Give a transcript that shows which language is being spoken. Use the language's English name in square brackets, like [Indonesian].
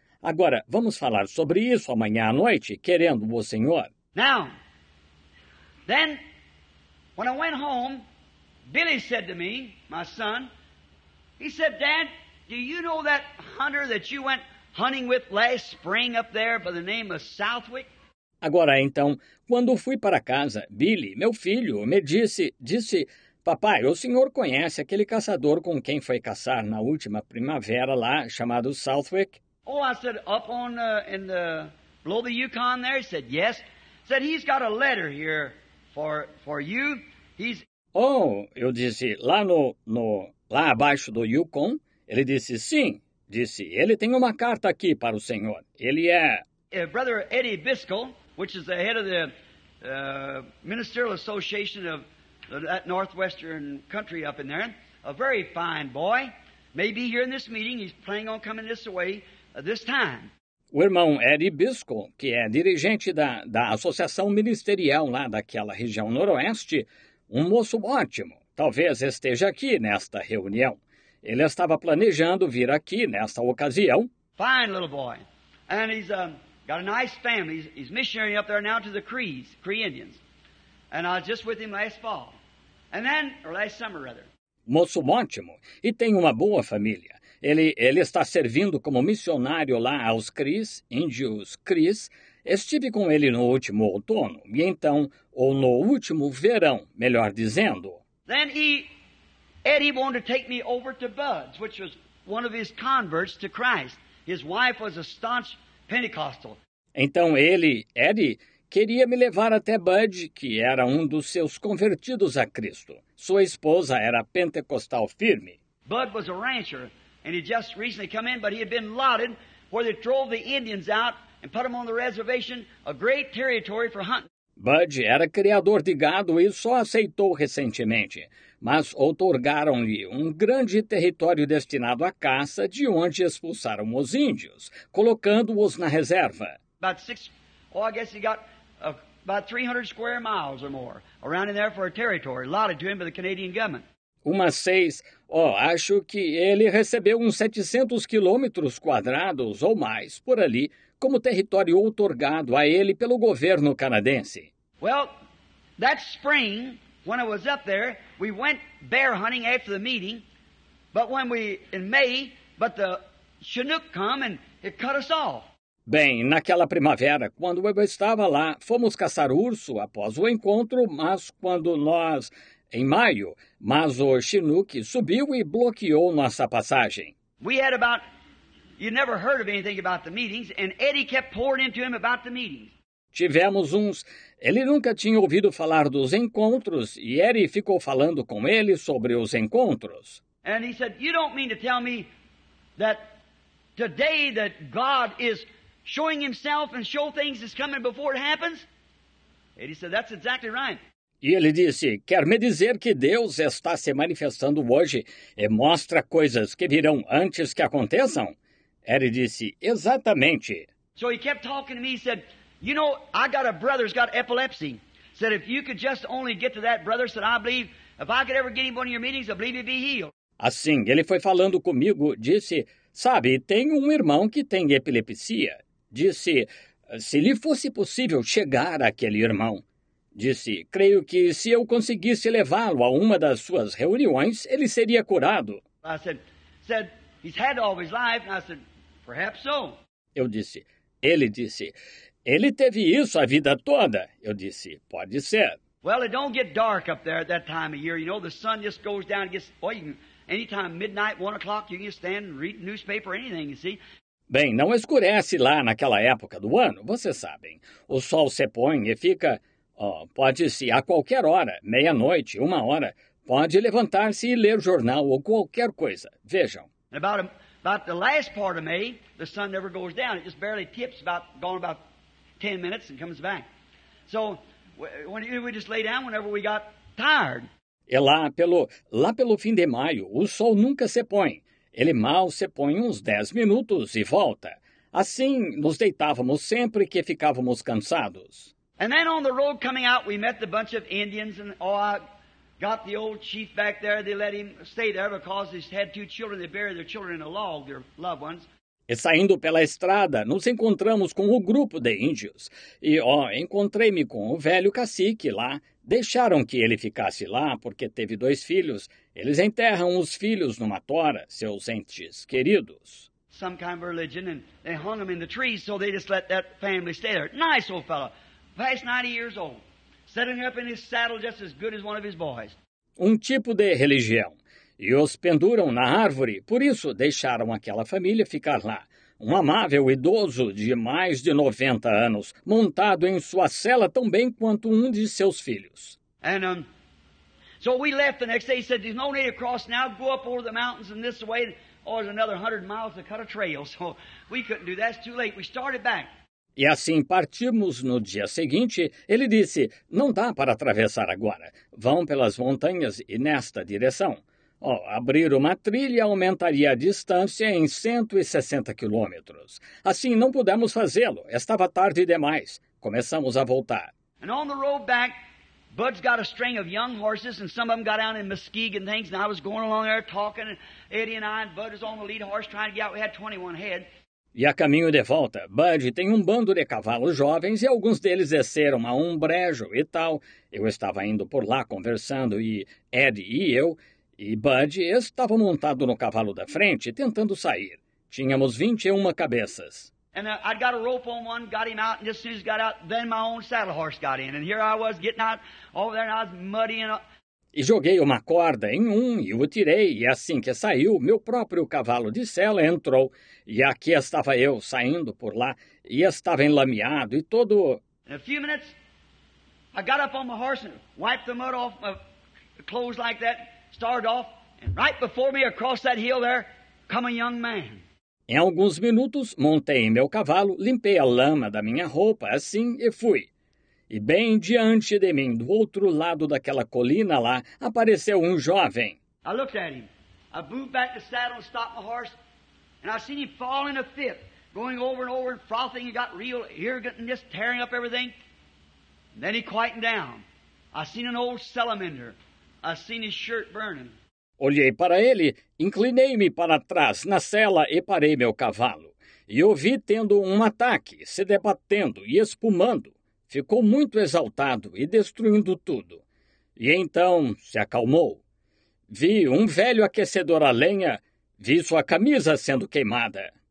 [Portuguese] Agora, vamos falar sobre isso amanhã à noite, querendo o Senhor. [English] Now, then, when I went home, Billy said to me, my son, he said, Dad, do you know that hunter that you went hunting with last spring up there by the name of Southwick? [Portuguese] Agora, então, quando fui para casa, Billy, meu filho, me disse, papai, o senhor conhece aquele caçador com quem foi caçar na última primavera lá, chamado Southwick? [English] Oh, I said, up on, in the, below the Yukon there, he said, yes. He said, he's got a letter here for you. He's... [Portuguese] Oh, eu disse, lá no, lá abaixo do Yukon? Ele disse, sim. Disse, ele tem uma carta aqui para o senhor. Ele é... [English] Brother Eddie Biscoe, which is the head of the Ministerial Association of that northwestern country up in there. A very fine boy. Maybe here in this meeting, he's planning on coming this way this time. [Portuguese] O irmão Eddie Biscoe, que é dirigente da Associação Ministerial lá daquela região noroeste, um moço ótimo, talvez esteja aqui nesta reunião. Ele estava planejando vir aqui nesta ocasião. [English] Fine little boy. And he's got a nice family. He's missionary up there now to the Cree Indians. And I was just with him last fall. And then, or last summer rather. [Portuguese] Moço ótimo. E tem uma boa família. Ele está servindo como missionário lá aos Cris, índios Cris, Estive com ele no último outono, e então, ou no último verão, melhor dizendo. [English] Then Eddie wanted to take me over to Bud's, which was one of his converts to Christ. His wife was a staunch Pentecostal. [Portuguese] Então ele, Eddie, queria me levar até Bud, que era um dos seus convertidos a Cristo. Sua esposa era pentecostal firme. [English] Bud was a rancher, and he just recently come in, but he had been lauded where they drove the Indians out and put them on the reservation, a great territory for hunting. [Portuguese] Bud era criador de gado e só aceitou recentemente, mas outorgaram-lhe um grande território destinado à caça, de onde expulsaram os índios, colocando-os na reserva. [English] About six, oh, I guess he got about 300 square miles or more around in there for a territory allotted to him by the Canadian government. [Portuguese] Umas seis, ó, oh, acho que ele recebeu uns 700 quilômetros quadrados ou mais por ali como território outorgado a ele pelo governo canadense. [English] Well, that spring, when I was up there, we went bear hunting after the meeting, but when we, in May, but the Chinook come and it cut us off. [Portuguese] Bem, naquela primavera, quando eu estava lá, fomos caçar urso após o encontro, mas quando nós, em maio, mas o Chinook subiu e bloqueou nossa passagem. [English] We had about, you never heard of anything about the meetings, and Eddie kept pouring into him about the meetings. [Portuguese] Tivemos uns, ele nunca tinha ouvido falar dos encontros, e Eddie ficou falando com ele sobre os encontros. [English] And he said, you don't mean to tell me that today that God is showing himself and show things is coming before it happens? Eddie said, that's exactly right. [Portuguese] E ele disse, quer me dizer que Deus está se manifestando hoje e mostra coisas que virão antes que aconteçam? Eddie disse, exatamente. [English] So he kept talking to me, he said, you know, I got a brother who's got epilepsy. Said, if you could just only get to that brother, said, I believe, if I could ever get him to one of your meetings, I believe he'd be healed. [Portuguese] Assim, ele foi falando comigo, disse, sabe, tem um irmão que tem epilepsia. Disse, se lhe fosse possível chegar àquele irmão. Disse, creio que se eu conseguisse levá-lo a uma das suas reuniões, ele seria curado. [English] I said, he's had all his life. And I said, perhaps so. [Portuguese] Eu disse, ele disse, ele teve isso a vida toda. Eu disse, pode ser. [English] Well, it don't get dark up there at that time of year. You know, the sun just goes down and gets, boy, you can, anytime, midnight, 1 o'clock, you can stand and read the newspaper or anything, you see. [Portuguese] Bem, não escurece lá naquela época do ano, vocês sabem. O sol se põe e fica, oh, pode-se a qualquer hora, meia-noite, uma hora, pode levantar-se e ler jornal ou qualquer coisa. Vejam. [English] About the last part of May, the sun never goes down. It just barely tips, about gone about 10 minutes and comes back. So we just lay down whenever we got tired. [Portuguese] E lá pelo fim de maio, o sol nunca se põe. Ele mal se põe uns 10 minutos e volta. Assim, nos deitávamos sempre que ficávamos cansados. [English] And then on the road coming out, we met the bunch of Indians, and oh, I got the old chief back there. They let him stay there because he's had two children. They buried their children in a log, their loved ones. [Portuguese] E saindo pela estrada, nos encontramos com o grupo de índios. E, ó, oh, encontrei-me com o velho cacique lá. Deixaram que ele ficasse lá porque teve dois filhos. Eles enterram os filhos numa tora, seus entes queridos. [English] Some kind of religion, and they hung them in the trees, so they just let that family stay there. Nice old fellow. Past 90 years old, setting up in his saddle just as good as one of his boys. [Portuguese] Um tipo de religião. E os penduram na árvore, por isso deixaram aquela família ficar lá. Um amável idoso de mais de 90 anos, montado em sua cela tão bem quanto um de seus filhos. [English] And so we left the next day. He said, there's no need to cross now. Go up over the mountains and this way. Oh, there's another 100 miles to cut a trail. So we couldn't do that. It's too late. We started back. [Portuguese] E assim partimos no dia seguinte. Ele disse, não dá para atravessar agora. Vão pelas montanhas e nesta direção. Oh, abrir uma trilha aumentaria a distância em 160 quilômetros. Assim, não pudemos fazê-lo. Estava tarde demais. Começamos a voltar. E no caminho de volta, [English] Bud's got a string of young horses, and some of them got down in Muskegon and things, and I was going along there talking, and Eddie and I, and Bud is on the lead horse trying to get out. We had 21 head. [Portuguese] E a caminho de volta, Bud tem um bando de cavalos jovens e alguns deles desceram a um brejo e tal. Eu estava indo por lá conversando e Ed e eu e Bud estavam montados no cavalo da frente tentando sair. Tínhamos 21 cabeças. [English] And I'd got a rope on one, got him out, and just as soon as he got out, then my own saddle horse got in. And here I was getting out over there, and I was muddy and all. [Portuguese] E joguei uma corda em um e o tirei, e assim que saiu, meu próprio cavalo de sela entrou, e aqui estava eu saindo por lá, e estava enlameado e todo... [English] In a few minutes, I got up on my horse and wiped the mud off my clothes like that, started off, and right before me across that hill there, come a young man. [Portuguese] Em alguns minutos, montei meu cavalo, limpei a lama da minha roupa, assim, e fui. E bem diante de mim, do outro lado daquela colina lá, apareceu um jovem. [English] I looked at him. I moved back the saddle and stopped my horse. And I seen him fall in a fit, going over and over and frothing. He got real irritant and just tearing up everything. And then he quietened down. I seen an old salamander. I seen his shirt burning. [Portuguese] Olhei para ele, inclinei-me para trás na sela e parei meu cavalo. E o vi tendo um ataque, se debatendo e espumando. Ficou muito exaltado e destruindo tudo. E então se acalmou. Vi um velho aquecedor a lenha, vi sua camisa sendo queimada.